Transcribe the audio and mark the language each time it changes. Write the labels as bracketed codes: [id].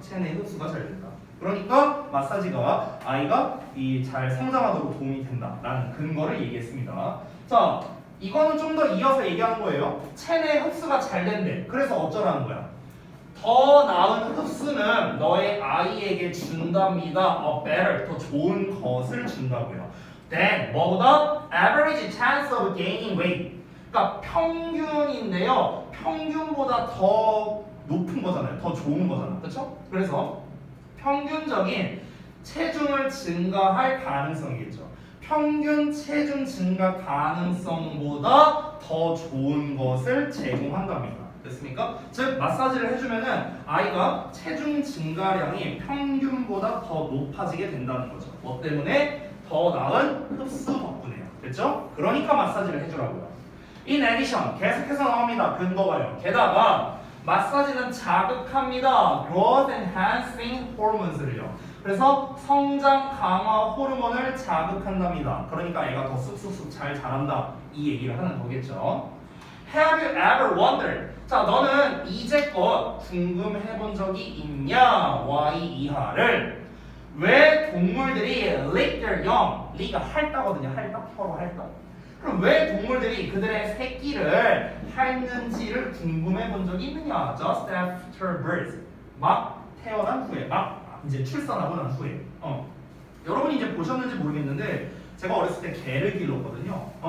[ko] 체내 흡수가 잘 된다. 그러니까 마사지가 아이가 이 잘 성장하도록 도움이 된다라는 근거를 얘기했습니다. 자, 이거는 좀 더 이어서 얘기하는 거예요. 체내 흡수가 잘 된대. 그래서 어쩌라는 거야? 더 나은 흡수는 너의 아이에게 준답니다. [en] A better, [ko] 더 좋은 것을 준다고요. [en] Then, [ko] 뭐보다 [en] average chance of gaining weight. [ko] 그러니까 평균인데요. 평균보다 더 높은 거잖아요. 더 좋은 거잖아요. 그렇죠? 그래서 평균적인 체중을 증가할 가능성이겠죠. 평균 체중 증가 가능성보다 더 좋은 것을 제공한답니다. 됐습니까? 즉 마사지를 해주면은 아이가 체중 증가량이 평균보다 더 높아지게 된다는 거죠. 뭐 때문에? 더 나은 흡수 덕분에요. 됐죠? 그러니까 마사지를 해주라고요. [en] In addition, [ko] 계속해서 나옵니다. 근거가요. 게다가 마사지는 자극합니다. [en] Growth enhancing hormones를요. [ko] 그래서 성장 강화 호르몬을 자극한답니다. 그러니까 애가 더 쑥쑥쑥 잘 자란다 이 얘기를 하는 거겠죠. [en] Have you ever wondered? [ko] 자, 너는 이제껏 궁금해 본 적이 있냐? Y 이하를. 왜 동물들이 [en] lick their young? [ko] lick 핥다거든요. 핥다? 혀로 핥다. 그럼 왜 동물들이 그들의 새끼를 핥는지를 궁금해 본 적이 있느냐? [en] Just after birth. [ko] 막 태어난 후에. 막 이제 출산하고 난 후에. 여러분이 이제 보셨는지 모르겠는데, 제가 어렸을 때 개를 길렀거든요.